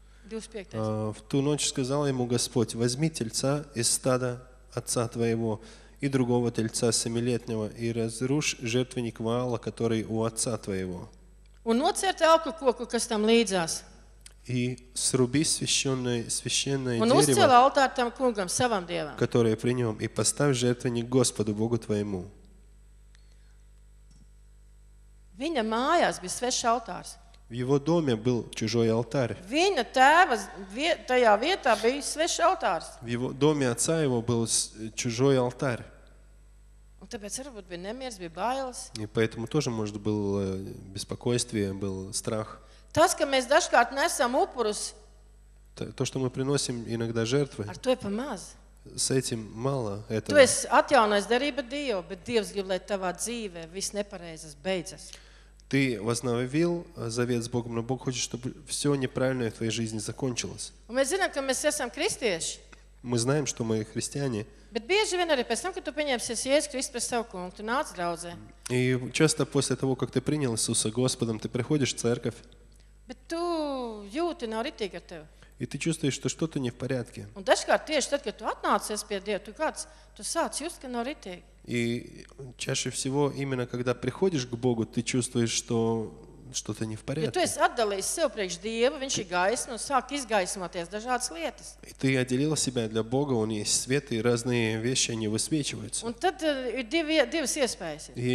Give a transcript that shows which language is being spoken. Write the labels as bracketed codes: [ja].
[ru] 25. В ту ночь сказал ему Господь, возьми тельца из стада отца твоего и другого тельца семилетнего и разрушь жертвенник Ваала, который у отца твоего. [lv] Un nocērt elku koku, kas tam līdzās. [ru] И сруби священное дерево, [lv] Un uzcēl altāru tam kungam, savam dievam. [ru] Которое при нем, и поставь жертвенник Господу, Богу твоему. [lv] Viņa mājās bija svešs altārs. [ru] В его доме был чужой алтарь. [lv] Viņa tēva tajā vietā bija svešs altārs. [ru] В его доме отца его был чужой алтарь. [lv] Un tāpēc varbūt bija nemieris, bija bailes. [ru] И поэтому тоже, может, был беспокойствие, был страх. [lv] Tas, ka mēs dažkārt nesam upurus. [ru] То, что мы приносим иногда жертвы. [lv] Ar to ir pa maz. [ru] С этим мало. Это... [lv] Tu esi atjaunais darība Dievu, bet Dievs grib, lai tavā dzīvē viss nepareizes beidzas. [ru] Ты возновил завет с Богом, но Бог хочет, чтобы все неправильное в твоей жизни закончилось. [lv] Un mēs zinām, ka mēs esam kristieši. [ru] Мы знаем, что мы христиане. [lv] Bet bieži vien arī pēc tam, kad tu pieņemsies Jēzus Kristu par savu kungu, tu nāc draudzē. [ru] И часто после того, как ты принял Иисуса Господом, ты приходишь в церковь. [lv] Bet tu jūti nav ritīgi ar tevi. [ru] И ты чувствуешь, что что-то не в порядке. [lv] Un dažkārt tieši tad, kad tu atnācies pie Dieva, tu kāds, tu sāc just, ka nav ritīgi. [ru] И чаще всего именно когда приходишь к Богу, ты чувствуешь, что-то не в порядке. [lv] Jo tu esi atdalījis sev priekš Dievu, viņš ir gaisma, un sāk izgaismoties dažādas lietas. [ru] И ты отделил себя для Бога, [lv] un [ru] есть свет, и разные вещи, они высвечиваются. [lv] Un tad ir divas iespējas.